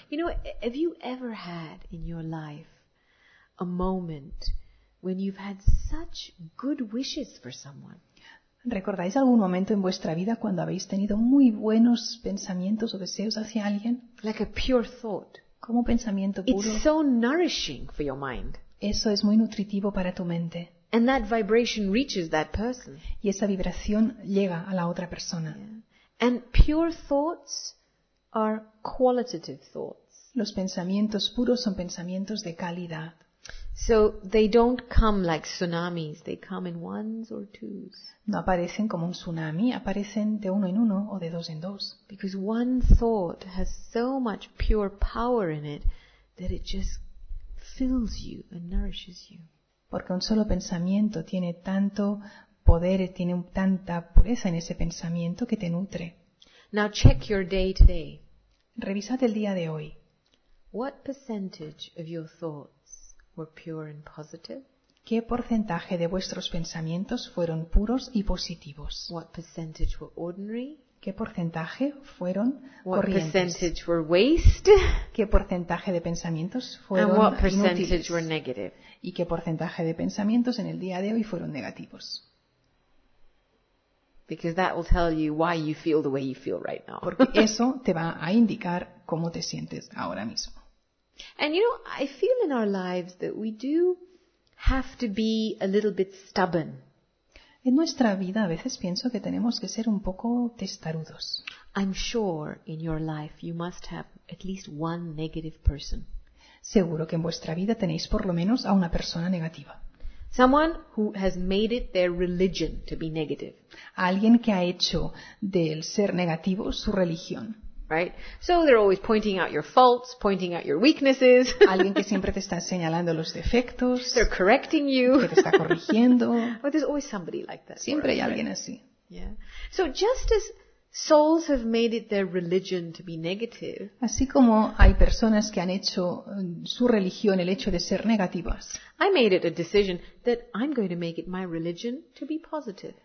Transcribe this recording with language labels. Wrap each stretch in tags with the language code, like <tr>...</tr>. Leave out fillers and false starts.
<en>You know, have you ever had in your life a moment when you've had such good wishes for someone?</en> <es>¿Recordáis algún momento en vuestra vida cuando habéis tenido muy buenos pensamientos o deseos hacia alguien?</es> <en>Like a pure thought.</en> <es>Como un pensamiento puro.</es> <en>It's so nourishing for your mind.</en> <es>Eso es muy nutritivo para tu mente.</es> <en>And that vibration reaches that person.</en> <es>Y esa vibración llega a la otra persona.</es> <en>Yeah. And pure thoughts are qualitative thoughts.</en> <es>Los pensamientos puros son pensamientos de calidad.</es> <en>So they don't come like tsunamis, they come in ones or twos.</en> <es>No aparecen como un tsunami, aparecen de uno en uno o de dos en dos.</es> <en>Because one thought has so much pure power in it that it just fills you and nourishes you.</en> <es>Porque un solo pensamiento tiene tanto poder, tiene tanta pureza en ese pensamiento que te nutre.</es> <en>Now check your day today.</en> <es>Revisad el día de hoy.</es> <en>What percentage of your thoughts were pure and positive?</en> <es>¿Qué porcentaje de vuestros pensamientos fueron puros y positivos?</es> <en>What percentage were ordinary?</en> <es>¿Qué porcentaje fueron</es> <en>what</en> <es>corrientes?</es> <en>What percentage were waste?</en> <es>¿Qué porcentaje de pensamientos fueron</es> <en>and what percentage</en> <es>inútiles?</es> <en>Were negative?</en> <es>¿Y qué porcentaje de pensamientos en el día de hoy fueron negativos?</es> <en>Because that will tell you why you feel the way you feel right now.</en> <es>Porque eso te va a indicar cómo te sientes ahora mismo.</es> <en>And you know, I feel in our lives that we do have to be a little bit stubborn.</en> <es>En nuestra vida a veces pienso que tenemos que ser un poco testarudos.</es> <en>I'm sure in your life you must have at least one negative person.</en> <es>Seguro que en vuestra vida tenéis por lo menos a una persona negativa.</es> <en>Someone who has made it their religion to be negative.</en> <es>Alguien que ha hecho del ser negativo su religión.</es> <en>Right? So they're always pointing out your faults, pointing out your weaknesses.</en> <es>Alguien que siempre te está señalando los defectos.</es> <en>They're correcting you.</en> <es>Que te está corrigiendo.</es> <en>But there's always somebody like that.</en> <es>Siempre hay alguien así.</es> <en>Yeah. So just as souls have made it their religion to be negative.</en> <es>Así como hay personas que han hecho su religión el hecho de ser negativas.</es> <en>I made it a decision that I'm going to make it my religion to be positive.</en>